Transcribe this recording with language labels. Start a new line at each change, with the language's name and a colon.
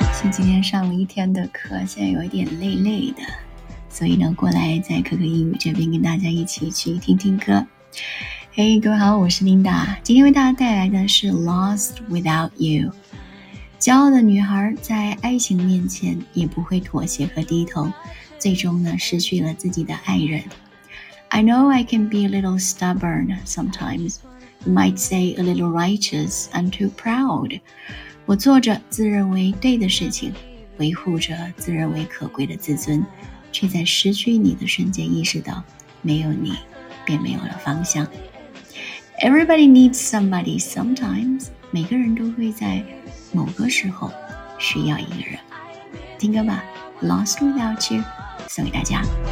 Chinese: 今天上了一天的课，现在有一点累累的，所以呢，过来在可可英语这边跟大家一起去听听歌。嘿，各位好，我是琳达，今天为大家带来的是《Lost Without You》。骄傲的女孩在爱情面前也不会妥协和低头，最终呢，失去了自己的爱人。
English: I know I can be a little stubborn sometimes. You might say a little righteous and too proud.
Chinese: 我做着自认为对的事情，维护着自认为可贵的自尊，却在失去你的瞬间意识到，没有你，便没有了方向。
English: Everybody needs somebody sometimes.
Chinese: 每个人都会在某个时候需要一个人。听歌吧 ，Lost Without You， 送给大家。